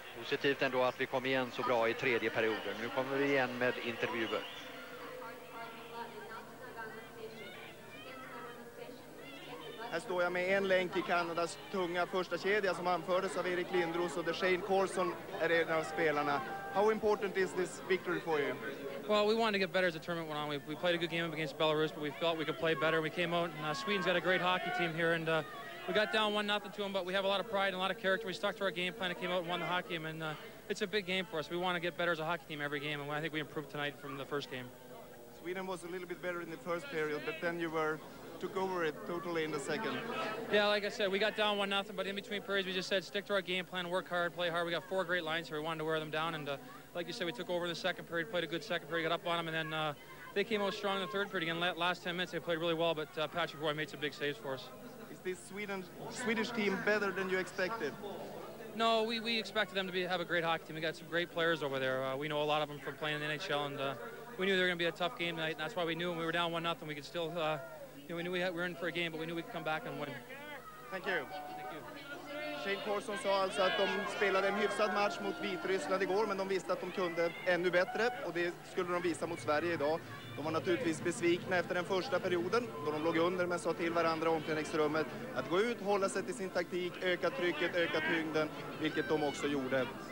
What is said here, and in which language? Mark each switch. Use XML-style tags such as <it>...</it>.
<sv>Positivt ändå att vi kom igen så bra i tredje perioden. Nu kommer vi igen med intervjuer. Här står jag med en länk i Kanadas tunga första kedja som anfördes av Erik Lindros, och Shane Carlson är en av spelarna.</sv> <en>How important is this victory for you? Well, we wanted to get better as the tournament went on. We played a good game against Belarus, but we felt we could play better. We came out and Sweden's got a great hockey team here, and we got down 1-0 to them, but we have a lot of pride and a lot of character. We stuck to our game plan and came out and won the hockey game, and it's a big game for us. We want to get better as a hockey team every game, and I think we improved tonight from the first game. Sweden was a little bit better in the first period, but then you were took over it totally in the second. Yeah, like I said, we got down 1-0, but in between periods we just said stick to our game plan, work hard, play hard. We got four great lines, so we wanted to wear them down, and like you said, we took over in the second period, played a good second period, got up on them, and then they came out strong in the third period. Again, last 10 minutes they played really well, but Patrick Roy made some big saves for us. This Swedish team better than you expected? No, we expected them to have a great hockey team. We got some great players over there. We know a lot of them from playing in the NHL, and we knew they were going to be a tough game tonight, and that's why we knew when we were down 1-0 we could still, we knew we were in for a game, but we knew we could come back and win. Thank you.</en> <sv>Shane Carlson sa alltså att de spelade en hyfsad match mot Vitryssland igår, men de visste att de kunde ännu bättre, och det skulle de visa mot Sverige idag. De var naturligtvis besvikna efter den första perioden då de låg under, men sa till varandra i omklädningsrummet att gå ut, hålla sig till sin taktik, öka trycket, öka tyngden, vilket de också gjorde.</sv>